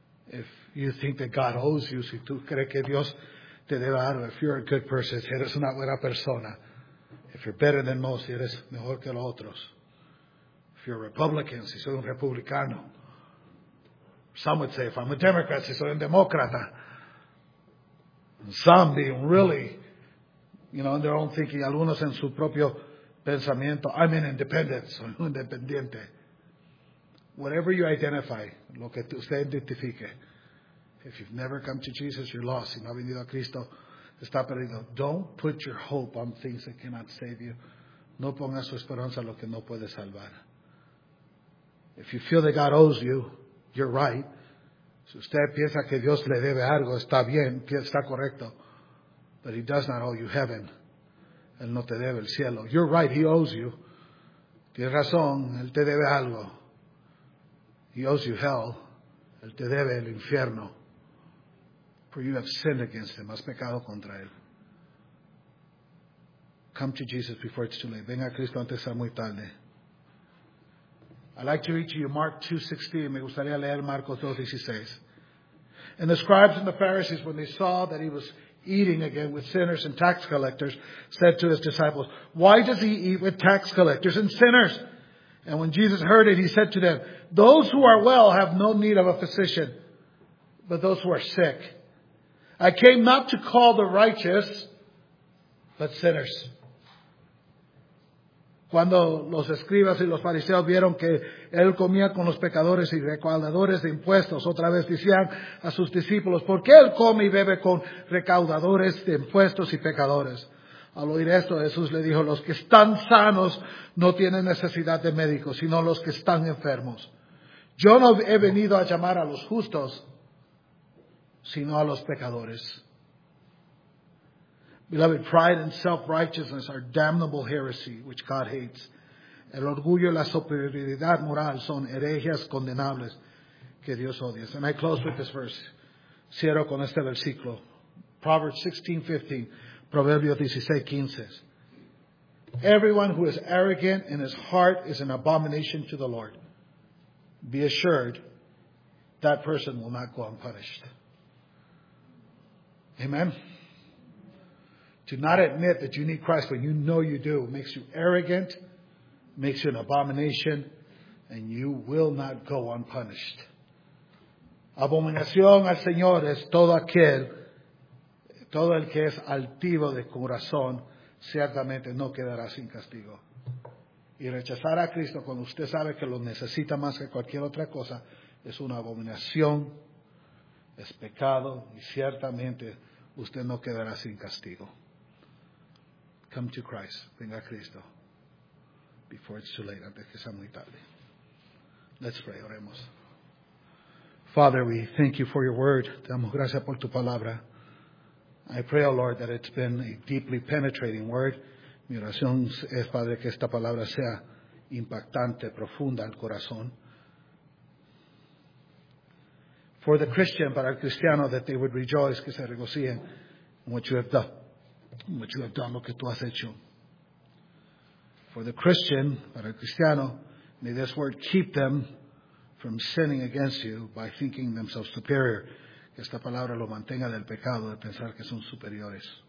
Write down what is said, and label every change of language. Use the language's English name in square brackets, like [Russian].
[English] if you think that God owes you, [Spanish] si tú crees que Dios te debe algo, [English] if you're a good person, [Spanish] si eres una buena persona, [English] if you're better than most, [Spanish] si eres mejor que los otros, [English] if you're a Republican, [Spanish] si soy un republicano, [English] some would say, if I'm a Democrat, [Spanish] si soy un demócrata, [English] and some being really, you know, in their own thinking, [Spanish] algunos en su propio pensamiento, [English] I'm an independent, [Spanish] soy un independiente. [English] Whatever you identify, [Spanish] lo que usted identifique, [English] if you've never come to Jesus, you're lost. [Spanish] Si no ha venido a Cristo, está perdido. [English] Don't put your hope on things that cannot save you. [Spanish] No ponga su esperanza en lo que no puede salvar. [English] If you feel that God owes you, you're right. [Spanish] Si usted piensa que Dios le debe algo, está bien, está correcto. [English] But he does not owe you heaven. [Spanish] Él no te debe el cielo. [English] You're right, he owes you. [Spanish] Tienes razón, él te debe algo. [English] He owes you hell. [Spanish] Él te debe el infierno. [English] For you have sinned against him. [Spanish] Has pecado contra él. [English] Come to Jesus before it's too late. [Spanish] Venga a Cristo antes de muy tarde. [English] I'd like to read to you Mark 2:16. [Spanish] Me gustaría leer Marcos 2:16. [English] And the scribes and the Pharisees, when they saw that he was eating again with sinners and tax collectors, said to his disciples, why does he eat with tax collectors and sinners? And when Jesus heard it, he said to them, those who are well have no need of a physician, but those who are sick. I came not to call the righteous, but sinners. [Spanish] Cuando los escribas y los fariseos vieron que él comía con los pecadores y recaudadores de impuestos, otra vez decían a sus discípulos, ¿por qué él come y bebe con recaudadores de impuestos y pecadores? Al oír esto, Jesús le dijo, los que están sanos no tienen necesidad de médicos, sino los que están enfermos. Yo no he venido a llamar a los justos, sino a los pecadores. [English] Beloved, pride and self-righteousness are damnable heresy, which God hates. [Spanish] El orgullo y la superioridad moral son herejías condenables que Dios odia. [English] And I close with this verse. [Spanish] Cierro con este versículo. [English] Proverbs 16:15. Proverbios 16:15. Everyone who is arrogant in his heart is an abomination to the Lord. Be assured, that person will not go unpunished. Amen. To not admit that you need Christ when you know you do makes you arrogant, makes you an abomination, and you will not go unpunished. [Spanish] Abominación al Señor es todo el que es altivo de corazón, ciertamente no quedará sin castigo. Y rechazar a Cristo cuando usted sabe que lo necesita más que cualquier otra cosa, es una abominación, es pecado, y ciertamente usted no quedará sin castigo. [English] Come to Christ. [Spanish] Venga a Cristo. [English] Before it's too late. [Spanish] Antes que sea muy tarde. [English] Let's pray. [Spanish] Oremos. [English] Father, we thank you for your word. [Spanish] Te damos gracias por tu palabra. [English] I pray, O Lord, that it's been a deeply penetrating word. [Spanish] Mi oración es, Padre, que esta palabra sea impactante, profunda al corazón. [English] For the Christian, [Spanish] para el cristiano, [English] that they would rejoice, [Spanish] que se regocijen en [English] what you have done. What you have done, [Spanish] lo que tú has hecho. [English] For the Christian, [Spanish] para el cristiano, [English] may this word keep them from sinning against you by thinking themselves superior. [Spanish] Que esta palabra lo mantenga del pecado, de pensar que son superiores.